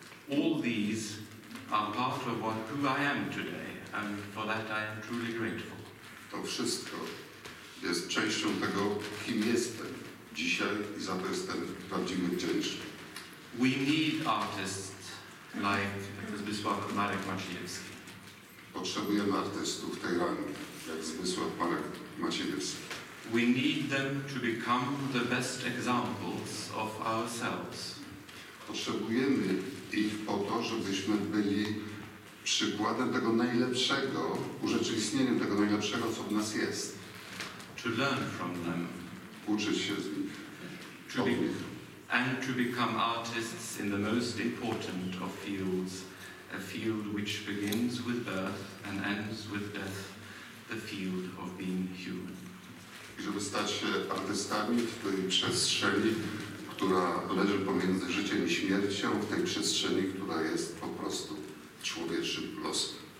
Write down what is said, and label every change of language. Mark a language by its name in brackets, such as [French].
[English] All these are part of who I am today. And for that I am truly grateful. [Polish] To wszystko jest częścią tego, kim jestem dzisiaj i za to jestem prawdziwie wdzięczny. [English] We need artists like Zbyszław Marek Maciejewski. [Polish] Potrzebujemy artystów tej rangi, jak Zbyszław Marek Maciejewski. [English] We need them to become the best examples of ourselves. [Polish] Potrzebujemy ich po to, żebyśmy byli przykładem tego najlepszego, urzeczywistnieniem tego najlepszego, co w nas jest. [English] To learn from them. [Polish] Uczyć się z nich. człowiek. [English] And to become artists in the most important of fields, a field which begins with birth and ends with death, the field of being human. [Polish] I żeby stać się artystami w tej przestrzeni, która leży pomiędzy życiem i śmiercią, w tej przestrzeni, która jest po prostu człowieczym losem.